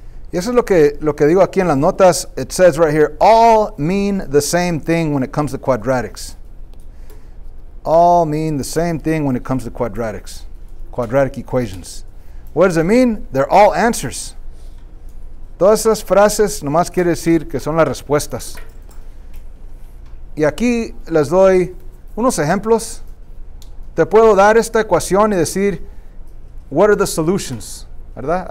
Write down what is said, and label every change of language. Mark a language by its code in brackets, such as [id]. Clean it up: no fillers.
[es] Y eso es lo que digo aquí en las notas. [en] It says right here, all mean the same thing when it comes to quadratics. All mean the same thing when it comes to quadratics. Quadratic equations. What does it mean? They're all answers. [es] Todas esas frases nomás quiere decir que son las respuestas. Y aquí les doy unos ejemplos. Te puedo dar esta ecuación y decir, [en] what are the solutions? [es] ¿Verdad?